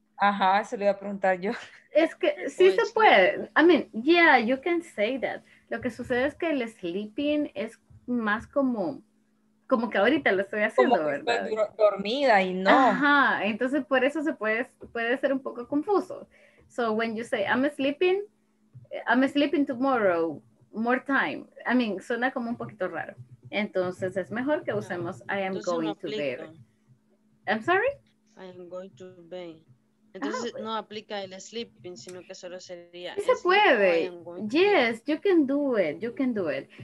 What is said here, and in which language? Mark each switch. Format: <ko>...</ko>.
<es>Ajá, se lo iba a preguntar yo. Es que sí se puede.</es> <en>I mean, yeah, you can say that.</en> <es>Lo que sucede es que el sleeping es más común. Como que ahorita lo estoy haciendo, como que ¿verdad? Estoy dormida y no. Ajá, entonces por eso se puede ser un poco confuso.</es> <en>So when you say I'm sleeping tomorrow more time. I mean,</en> <es>suena como un poquito raro. Entonces es mejor que usemos</es> <en>I am going to bed. I'm sorry? I am going to bed.</en> <es>Entonces no aplica el sleeping, sino que solo sería... Sí se puede.</es> <en>Yes, you can do it, you can do it.</en>